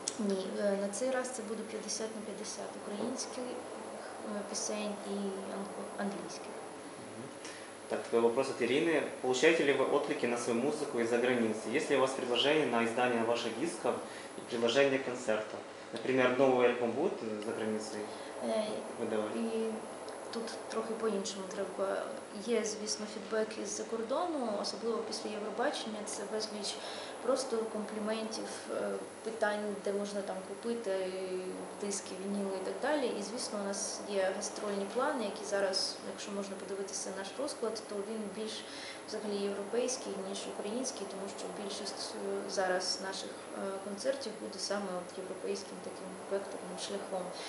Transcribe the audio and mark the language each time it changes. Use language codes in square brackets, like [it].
[uk] Ні, на цей раз це буде 50 на 50 українських пісень і англійських. [ru] Так, [uk] твій [ru] вопрос от Ірини. Получаєте ли ви отклики на свою музику із-за границі? Є ли у вас предложення на издание ваших дисків і предложення концерту? Например, новый альбом будет за границей выдавать? И [uk] тут трохи по-іншому треба. Є, звісно, фідбек із-за кордону, особливо після Євробачення, це безліч просто компліментів, питань, де можна там купити диски, вініли і так далі. І, звісно, у нас є гастрольні плани, які зараз, якщо можна подивитися наш розклад, то він більш взагалі європейський, ніж український, тому що більшість зараз наших концертів буде саме от європейським таким векторним шляхом.